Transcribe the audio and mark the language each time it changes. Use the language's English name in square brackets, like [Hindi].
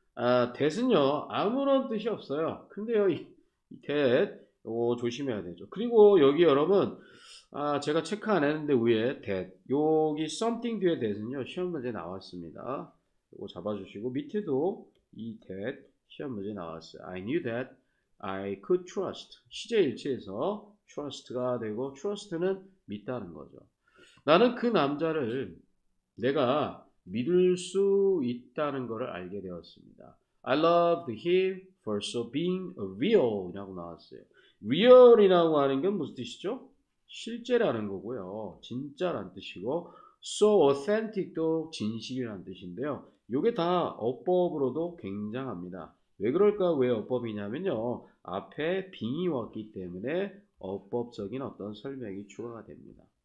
[Korean] 아, that은요 아무런 뜻이 없어요. 근데요 이 that 요거 조심해야 되죠. 그리고 여기 여러분, 아, 제가 체크 안 했는데 위에 that 여기 something 뒤에 that은요 시험 문제 나왔습니다. 요거 잡아주시고 밑에도 이 that 시험 문제 나왔어요. [English] I knew that I could trust. [Korean] 시제 일치에서 trust가 되고 trust는 믿다는 거죠. 나는 그 남자를 내가 믿을 수 있다는 것을 알게 되었습니다. [English] I loved him for so being real 이라고 [Korean] 나왔어요. real이라고 하는 게 무슨 뜻이죠? 실제라는 거고요. 진짜란 뜻이고 [English] so authentic도 [Korean] 진실이란 뜻인데요. 이게 다 어법으로도 굉장합니다. 왜 그럴까? 왜 어법이냐면요. 앞에 being이 왔기 때문에 어법적인 어떤 설명이 추가가 됩니다.